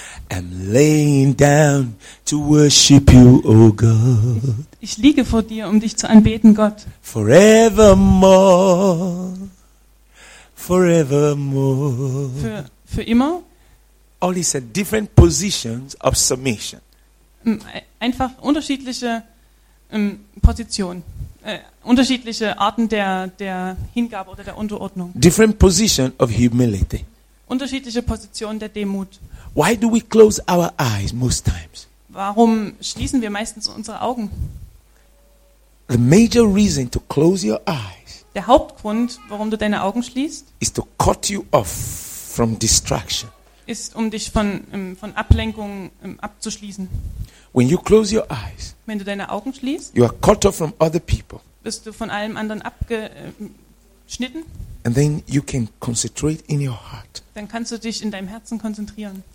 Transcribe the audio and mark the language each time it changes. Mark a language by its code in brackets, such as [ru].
[en] I'm laying down to worship you, O God. [de] Ich liege vor dir, um dich zu anbeten, Gott. [en] Forevermore. Forevermore. [de] Für immer. [en] All these are different positions of submission. [de] Einfach unterschiedliche Positionen. Unterschiedliche Arten der Hingabe oder der Unterordnung. [en] Different position of humility. [de] Unterschiedliche Positionen der Demut. [en] Why do we close our eyes most times? [de] Warum schließen wir meistens unsere Augen? [en] The major reason to close your eyes. [de] Der Hauptgrund, warum du deine Augen schließt, [en] is to cut you off from distraction. [de] Ist, um dich von Ablenkung abzuschließen. [en] When you close your eyes, [de] wenn du deine Augen schließt, [en] you are cut off from other people. [de] Bist du von allem anderen abgeschnitten? [en] And then you can concentrate in your heart. [de] Dann kannst du dich in deinem Herzen konzentrieren.